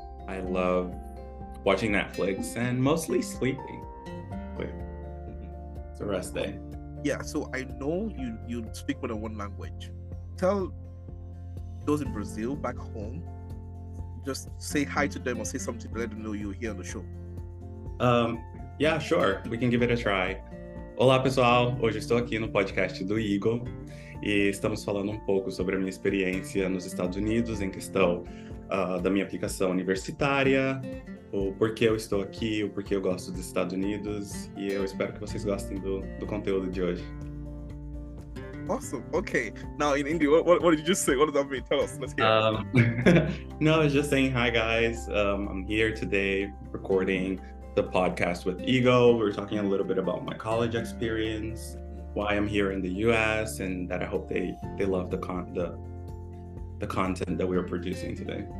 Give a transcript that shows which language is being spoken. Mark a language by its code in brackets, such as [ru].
[en] I love watching Netflix and mostly sleeping. Wait. It's a rest day. Yeah, so I know you speak more than one language. Tell those in Brazil back home, just say hi to them or say something to let them know you're here on the show. Yeah, sure. We can give it a try. [pt] Olá, pessoal. Hoje estou aqui no podcast do Ego e estamos falando pouco sobre a minha experiência nos Estados Unidos em questão da minha aplicação universitária, o porquê eu estou aqui, o porquê eu gosto dos Estados Unidos, e eu espero que vocês gostem do conteúdo de hoje. [en] Awesome, okay. Now, in India, what did you just say? What does that mean? Tell us, let's hear. No, I was just saying, hi guys, I'm here today recording the podcast with Ego. We were talking a little bit about my college experience, why I'm here in the U.S., and that I hope they love the content that we are producing today.